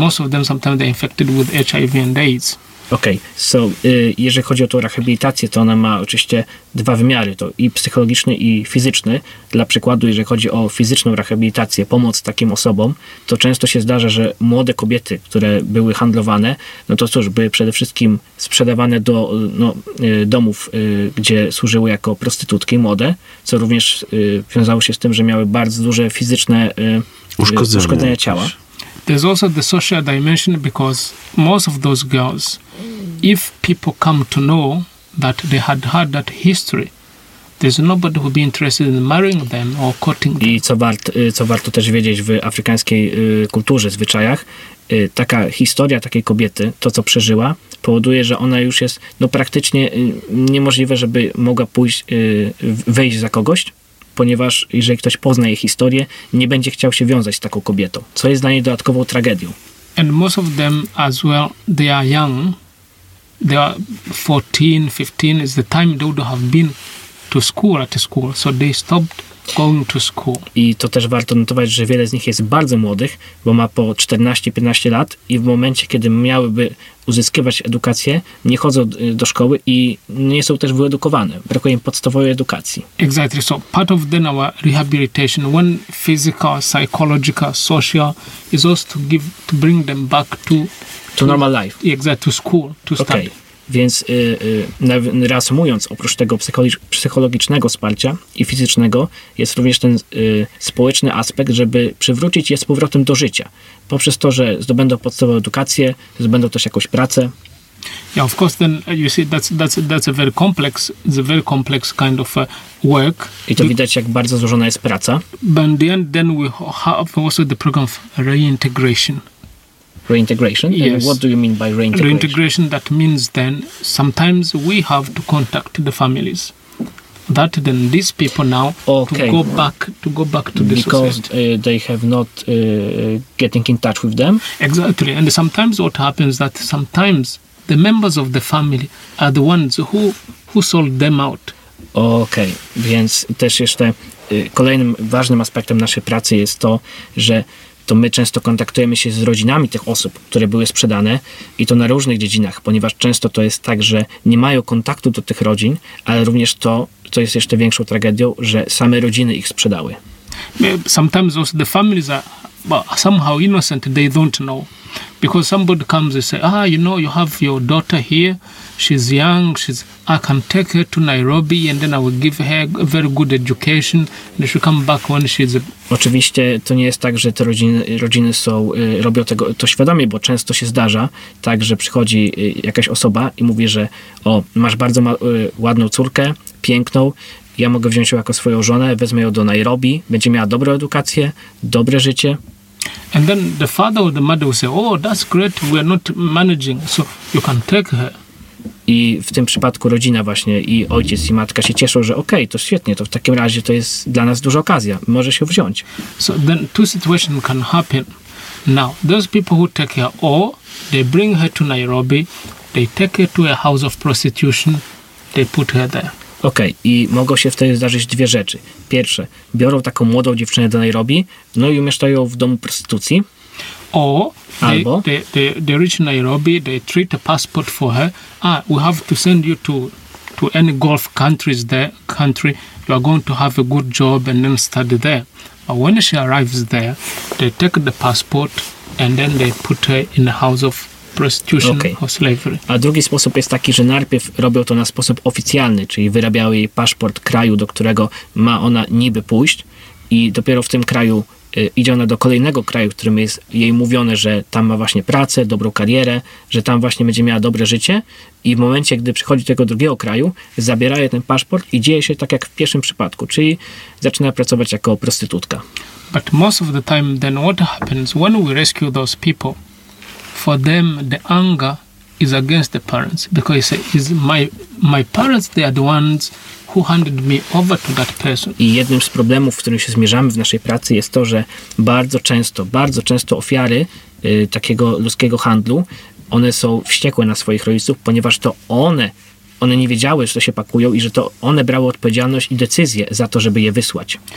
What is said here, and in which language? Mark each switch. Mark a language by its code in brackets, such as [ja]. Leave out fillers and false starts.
[en] Most of them sometimes they're infected with HIV and AIDS. [pl] Okej, okay. So jeżeli chodzi o tą rehabilitację, to ona ma oczywiście dwa wymiary, to i psychologiczny, i fizyczny. Dla przykładu, jeżeli chodzi o fizyczną rehabilitację, pomoc takim osobom, to często się zdarza, że młode kobiety, które były handlowane, no to cóż, były przede wszystkim sprzedawane do domów, gdzie służyły jako prostytutki młode, co również wiązało się z tym, że miały bardzo duże fizyczne uszkodzenia ciała. [en] There's also the social dimension, because most of those girls, if people come to know that they had had that history, there's nobody who'd be interested in marrying them or courting them. [pl] I co warto też wiedzieć w afrykańskiej kulturze, zwyczajach, taka historia takiej kobiety, to co przeżyła, powoduje, że ona już jest praktycznie niemożliwe, żeby mogła wejść za kogoś, ponieważ jeżeli ktoś pozna jej historię, nie będzie chciał się wiązać z taką kobietą, co jest dla niej dodatkową tragedią. [en] And most of them as well, they are young. They are 14, 15 is the time they would have been to school at school, so they stopped going to school. [pl] I to też warto notować, że wiele z nich jest bardzo młodych, bo ma po 14-15 lat i w momencie, kiedy miałyby uzyskiwać edukację, nie chodzą do szkoły i nie są też wyedukowane. Brakuje im podstawowej edukacji. [en] Exactly. So part of then our rehabilitation, one physical, psychological, social, is also to bring them back to normal life. Exactly, to school, to study. Okay. [pl] Więc reasumując, oprócz tego psychologicznego wsparcia i fizycznego, jest również ten społeczny aspekt, żeby przywrócić je z powrotem do życia. Poprzez to, że zdobędą podstawową edukację, zdobędą też jakąś pracę. [en] Yeah, of course, then you see that's a very complex, the very complex kind of work. [pl] I to widać, jak bardzo złożona jest praca. [en] But in the end, then we have also the program of reintegration. Reintegration? Yes. What do you mean by reintegration? Reintegration, that means then sometimes we have to contact the families. That then these people now okay. to go back to the society. Because they have not getting in touch with them? Exactly. And sometimes what happens that sometimes the members of the family are the ones who sold them out. Okay. [pl] Więc też jeszcze kolejnym ważnym aspektem naszej pracy jest to, że to my często kontaktujemy się z rodzinami tych osób, które były sprzedane, i to na różnych dziedzinach, ponieważ często to jest tak, że nie mają kontaktu do tych rodzin, ale również to, co jest jeszcze większą tragedią, że same rodziny ich sprzedały. [en] Sometimes also the families are somehow innocent, they don't know. Because somebody comes and says, you have your daughter here, she's young, I can take her to Nairobi and then I will give her a very good education and she'll come back when she's... [pl] Oczywiście to nie jest tak, że te rodziny są, robią tego to świadomie, bo często się zdarza tak, że przychodzi jakaś osoba i mówi, że masz bardzo ładną córkę, piękną, ja mogę wziąć ją jako swoją żonę, wezmę ją do Nairobi, będzie miała dobrą edukację, dobre życie. [en] And then the father or the mother will say, oh, that's great, we're not managing, so you can take her. [pl] I w tym przypadku rodzina właśnie i ojciec i matka się cieszą, że okej, to świetnie, to w takim razie to jest dla nas duża okazja, może się wziąć. [en] So then two situations can happen. Now, those people who take her, or they bring her to Nairobi, they take her to a house of prostitution, they put her there. [pl] Okej, i mogą się wtedy zdarzyć dwie rzeczy. Pierwsze, biorą taką młodą dziewczynę do Nairobi, no i umieszczają ją w domu prostytucji. [en] Or they reach Nairobi, they treat a passport for her. Ah, we have to send you to any Gulf countries there, country. You are going to have a good job and then study there. But when she arrives there, they take the passport and then they put her in the house of prostitution or slavery. [pl] A drugi sposób jest taki, że najpierw robią to na sposób oficjalny, czyli wyrabiają jej paszport kraju, do którego ma ona niby pójść i dopiero w tym kraju idzie ona do kolejnego kraju, w którym jest jej mówione, że tam ma właśnie pracę, dobrą karierę, że tam właśnie będzie miała dobre życie i w momencie, gdy przychodzi do tego drugiego kraju, zabiera jej ten paszport i dzieje się tak jak w pierwszym przypadku, czyli zaczyna pracować jako prostytutka. [en] But most of the time then what happens when we rescue those people, for them the anger is against the parents because they say, my parents, they are the ones who handed me over to that person. [pl] I jednym z problemów, w którym się zmierzamy w naszej pracy, jest to, że bardzo często ofiary takiego ludzkiego handlu, one są wściekłe na swoich rodziców, ponieważ to one nie wiedziały, że to się pakują i że to one brały odpowiedzialność i decyzję za to, żeby je wysłać.